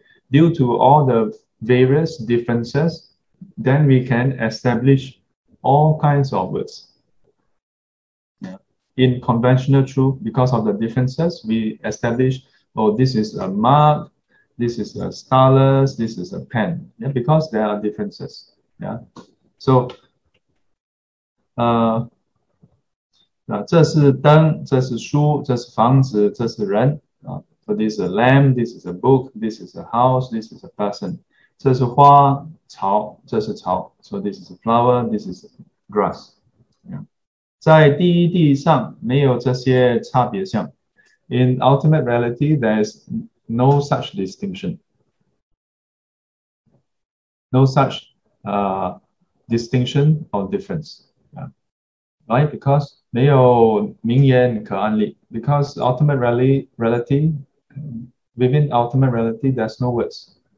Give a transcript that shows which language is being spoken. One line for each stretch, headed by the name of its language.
English: Due to all the various differences, then we can establish all kinds of words. In conventional truth, because of the differences, we establish, oh, this is a mug, this is a stylus, this is a pen, because there are differences.
Chinese: So, 这是灯,这是书,这是房子,这是人.
English: So this is a lamb, this is a book, this is a house, this is a person.
Chinese: 这是花,草,这是草.
English: So this is a flower, this is grass.
Chinese: 在第一地上没有这些差别相.
English: In ultimate reality, there is no such distinction. No such distinction or difference. Right? Because
Chinese: 没有名言可安立.
English: Because ultimate reality, within ultimate reality, there's no words.